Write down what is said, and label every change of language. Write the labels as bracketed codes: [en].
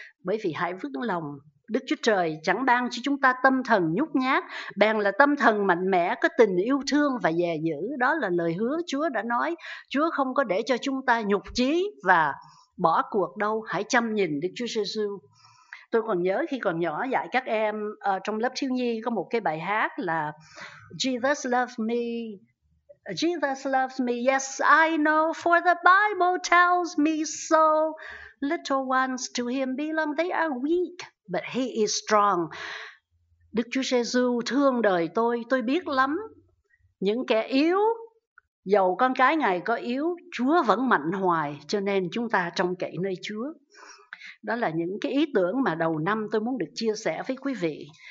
[vi] Bởi vì hãy vững lòng, Đức Chúa Trời chẳng ban cho chúng ta tâm thần nhút nhát, bèn là tâm thần mạnh mẽ, có tình yêu thương và dè dữ. Đó là lời hứa Chúa đã nói. Chúa không có để cho chúng ta nhục chí và bỏ cuộc đâu. Hãy chăm nhìn Đức Chúa Giêsu. Tôi còn nhớ khi còn nhỏ dạy các em trong lớp thiếu nhi có một cái bài hát là Jesus loves me. [en] Jesus loves me, yes I know, for the Bible tells me so. Little ones to him belong, they are weak, but he is strong. [vi] Đức Chúa Giêsu thương đời tôi biết lắm. Những kẻ yếu, dầu con cái Ngài có yếu, Chúa vẫn mạnh hoài, cho nên chúng ta trông cậy nơi Chúa. Đó là những cái ý tưởng mà đầu năm tôi muốn được chia sẻ với quý vị.